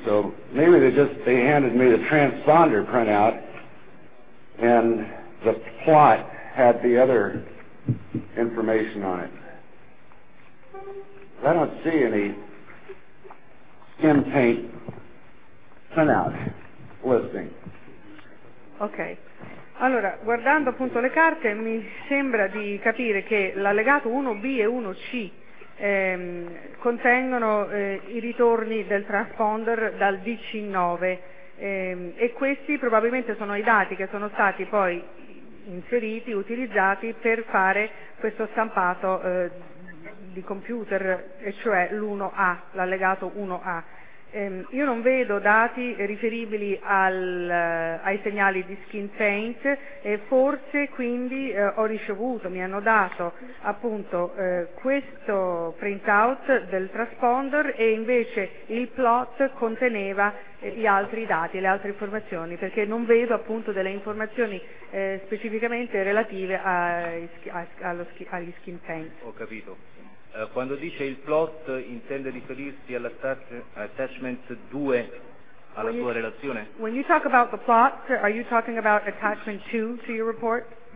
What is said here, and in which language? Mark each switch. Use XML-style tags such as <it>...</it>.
<en>So maybe they handed me the transponder printout and the plot had the other information on it. I don't see any skin paint printout listing. Okay.</en> <it>Allora, guardando appunto le carte, mi sembra di capire che l'allegato 1B e 1C contengono i ritorni del transponder dal DC-9 e questi probabilmente sono i dati che sono stati poi inseriti, utilizzati per fare questo stampato di computer, e cioè l'1A, l'allegato 1A. Io non vedo dati riferibili ai segnali di skin paint e forse quindi ho ricevuto, mi hanno dato appunto questo printout del transponder e invece il plot conteneva gli altri dati, le altre informazioni, perché non vedo appunto delle informazioni specificamente relative agli skin paint. Ho capito. Quando dice il plot, intende riferirsi all'attachment 2 alla tua relazione?</it> <en>When you talk about the plot, are you talking about attachment 2 to your report?</en>